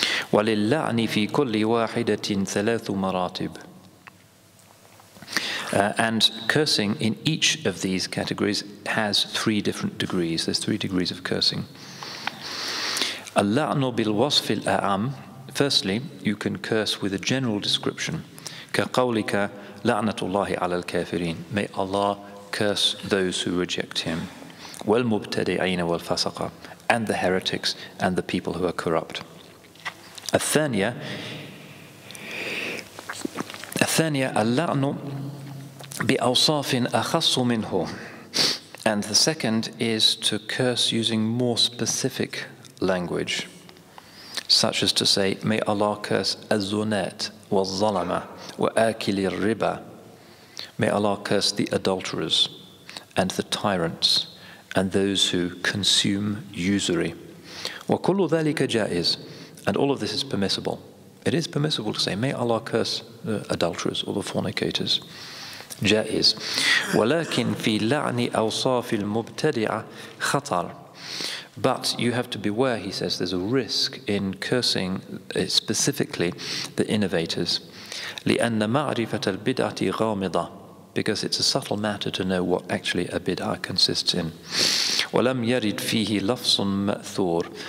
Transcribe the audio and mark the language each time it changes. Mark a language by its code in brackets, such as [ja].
[ar] وَلِلَّعْنِ فِي كُلِّ وَاحِدَةٍ ثَلَاثُ مَرَاتِبٍ. [en] And cursing in each of these categories has three different degrees. There's three degrees of cursing. [ar] اللعن بالوصف الأعم. [en] Firstly, you can curse with a general description. [ar] كقولك لعنة الله على الكافرين. [en] May Allah curse those who reject him. [ar] والمبتدعين والفسقة. [en] And the heretics and the people who are corrupt. [ar] الثانية اللعن بأوصاف أخص منه. [en] And the second is to curse using more specific language, such as to say, may Allah curse [ar] الزنات والظلمة وآكل الربا. [en] May Allah curse the adulterers and the tyrants and those who consume usury. [ar] وكل ذلك جائز. [en] And all of this is permissible. It is permissible to say, may Allah curse the adulterers or the fornicators. [ar] جائز. ولكن في لعن أوصاف المبتدع خطر. [en] But you have to beware, he says, there's a risk in cursing specifically the innovators. [ar] لأن معرفة البدعة غامضة. [en] Because it's a subtle matter to know what actually a bid'ah consists in. [ar] وَلَمْ يَرِدْ فِيهِ لَفْصٌ مَأْثُورٌ.